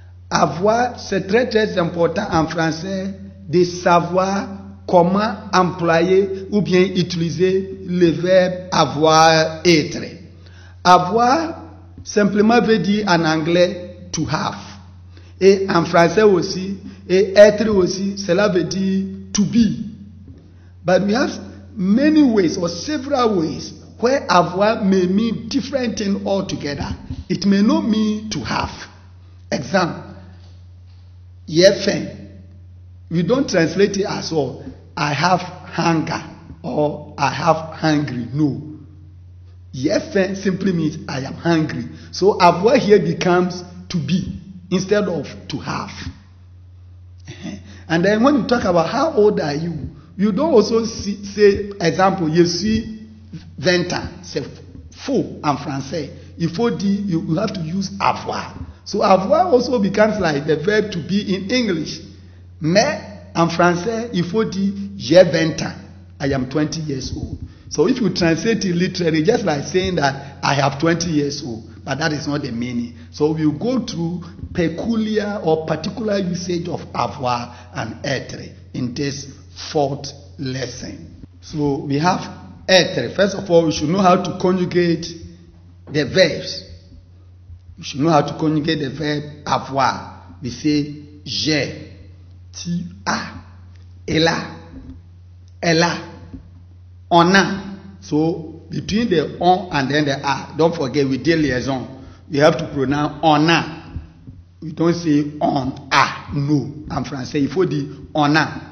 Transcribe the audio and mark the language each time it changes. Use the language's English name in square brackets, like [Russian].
[French] Avoir, c'est très très important en français de savoir comment employer ou bien utiliser le verbe avoir, être. Avoir simplement veut dire en anglais [English] to have. [French] Et en français aussi, et être aussi, cela veut dire [English] to be. But we have many ways or several ways where avoir may mean different things altogether. It may not mean to have. Example, yefen. We don't translate it as all. I have hunger or I have hungry. No. Yefen simply means I am hungry. So avoir here becomes to be instead of to have. And then when you talk about how old are you, you don't also say, example, [French] je suis 20 ans. C'est faux en français. Il faut dire, [English] you have to use avoir. So avoir also becomes like the verb to be in English. [French] Mais en français, il faut dire, j'ai 20 ans. [English] I am 20 years old. So if you translate it literally, just like saying that I have 20 years old, but that is not the meaning. So we'll go through peculiar or particular usage of avoir and être in this fourth lesson. So we have être. First of all, we should know how to conjugate the verbs. We should know how to conjugate the verb avoir. We say [French] j'ai, tu as, elle a, on a. [English] So between the on and then the a, don't forget we did liaison. We have to pronounce on a. We don't say on a. [French] No, en français, il faut dire on a.